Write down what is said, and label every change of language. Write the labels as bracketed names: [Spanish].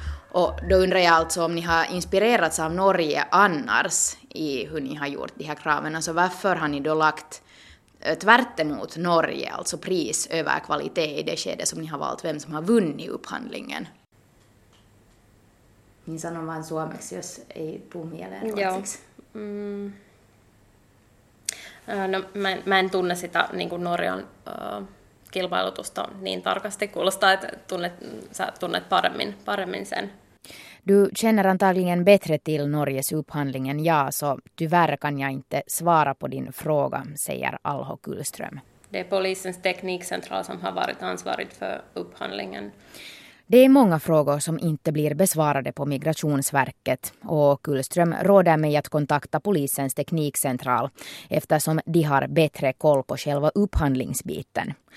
[Swedish] Och då undrar jag alltså om ni har inspirerats av Norge annars i hur ni har gjort de här kraven. Alltså varför har ni då lagt tvärt emot Norge, alltså pris över kvalitet i det skede som ni har valt vem som har vunnit upphandlingen? [Finnish] Ni sanon vain suomeksi, jos ei puhu mieleen ruotsiksi. Mä en tunne sitä niin kuin Norjan kilpailutusta niin tarkasti. Kuulostaa, että sä tunnet paremmin sen. [Swedish] Du känner antagligen bättre till Norges upphandling än jag, så tyvärr kan jag inte svara på din fråga, säger Alho Kullström. Det är polisens teknikcentral som har varit ansvarig för upphandlingen. Det är många frågor som inte blir besvarade på Migrationsverket, och Kullström råder mig att kontakta polisens teknikcentral eftersom de har bättre koll på själva upphandlingsbiten.